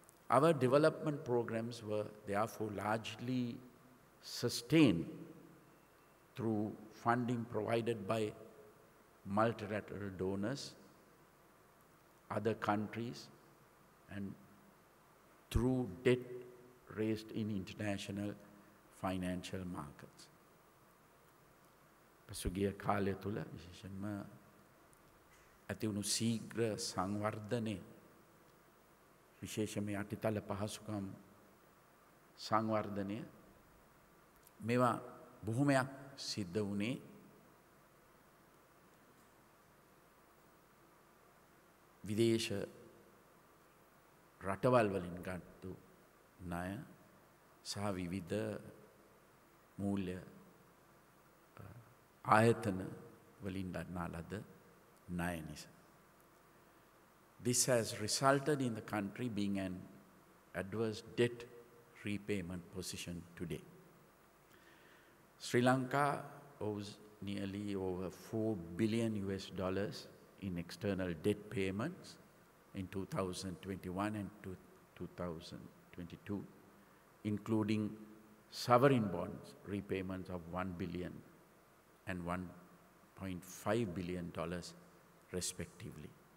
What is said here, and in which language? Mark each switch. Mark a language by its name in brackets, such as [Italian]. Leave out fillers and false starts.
[English] Our development programs were therefore largely sustained through funding provided by multilateral donors, other countries, and through debt raised in international financial markets. [Sinhala] පසුගිය කාලය තුළ විශේෂයෙන්ම ඇතිවුණු ශීඝ්‍ර සංවර්ධනය විශේෂයෙන්ම යටිතල පහසුකම් සංවර්ධනය මේවා බොහොමයක් සිද්ධ වුණේ විදේශ රටවල් වලින් ගත්තු ණය සහ විවිධ මූල්‍ය ආයතන වලින් ගන්නා ලද ණය නිසා. [English] This has resulted in the country being an adverse debt repayment position today. Sri Lanka owes nearly over $4 billion in external debt payments in 2021 and 2022, including sovereign bonds repayments of $1 billion and $1.5 billion respectively.